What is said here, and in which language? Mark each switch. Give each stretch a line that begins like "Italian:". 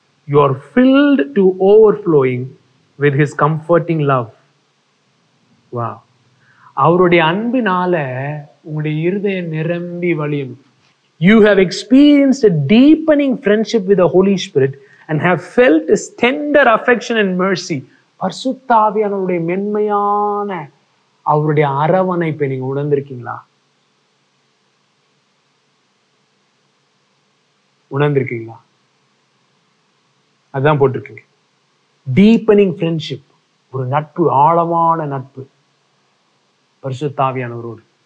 English: You are filled to overflowing with his comforting love. Wow.
Tamil: அவருடைய அன்பினால உங்களுடைய இருதயம் நிரம்பி வழியும்.
English: You have experienced a deepening friendship with the Holy Spirit and have felt his tender affection and mercy.
Tamil: பரிசுத்தாவியானவருடைய மென்மையான அவருடைய அரவணைப்பை நீங்க உணர்ந்திருக்கீங்களா? உணர்ந்திருக்கீங்களா? அதான் போட்டிருக்கீங்க. டீப்பனிங் ஃப்ரெண்ட்ஷிப், ஒரு நட்பு, ஆழமான நட்பு பரிசுத்தாவியானவரோடு.